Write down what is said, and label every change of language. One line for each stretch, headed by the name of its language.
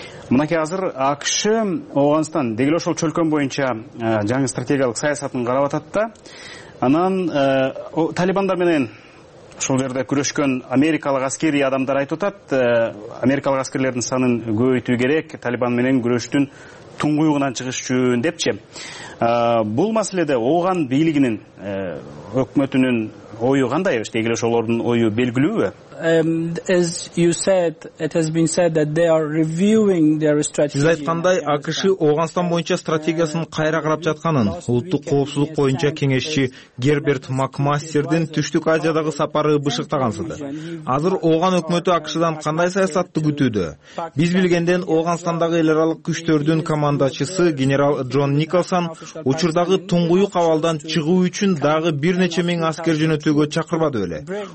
Kyrgyz: Мынакей азыр АКШ Ооганстан деги эле ошол чөлкөм боюнча жаңы стратегиялык саясатын карап атат да, анан талибандар менен ошол жерде күрөшкөн америкалык аскерий адамдар айтып атат, америкалык аскерлердин санын көбөйтүү керек, талибан менен күрөштүн туңгуюгунан чыгыш үчүн депчи. Бул маселеде ооган бийлигинин өкмөтүнүн ою кандай? Деги эле ошолордун ою белгилүүбү?
English: As you said, it has been said that they are reviewing their strategy.
Kyrgyz: Сиз айткандай, АКШ Ооганстан боюнча стратегиясын кайра карап жатканын, улуттук коопсуздук боюнча кеңешчи Герберт Макмастердин Түштүк Азиядагы сапары бышыктагансыды. Азыр ооган өкмөтү АКШдан кандай саясатты күтүүдө? Биз билгенден Оогандагы эл аралык күчтөрдүн командачысы генерал Джон Николсон учурдагы туңгуюк абалдан чыгуу үчүн дагы бир нече миң аскер жөнөтүүгө чакырбады беле.